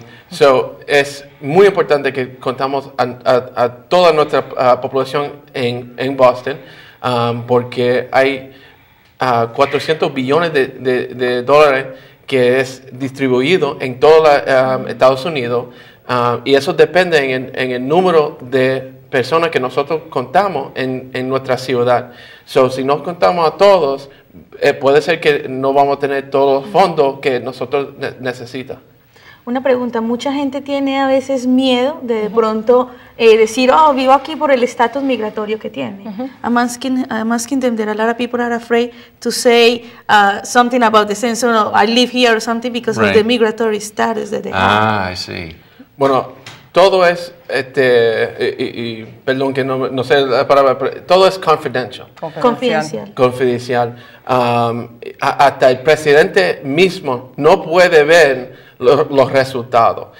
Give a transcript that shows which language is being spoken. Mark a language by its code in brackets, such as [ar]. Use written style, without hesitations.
[es] So, es muy importante que contamos a toda nuestra población en Boston, porque hay 400 billones de dólares que es distribuido en todo Estados Unidos, y eso depende en el número de personas que nosotros contamos en nuestra ciudad. So, si no contamos a todos, puede ser que no vamos a tener todos los fondos que nosotros necesita. Una pregunta, mucha gente tiene a veces miedo de uh-huh. pronto decir, oh, vivo aquí por el estatus migratorio que tiene. Uh-huh. [en] I'm asking them, that a lot of people are afraid to say something about the census, or I live here or something, because right. of the migratory status that they ah, have. I see. [es] Bueno, todo es, perdón que no sé la palabra, pero todo es confidential. Confidencial. Hasta el presidente mismo no puede ver los resultados.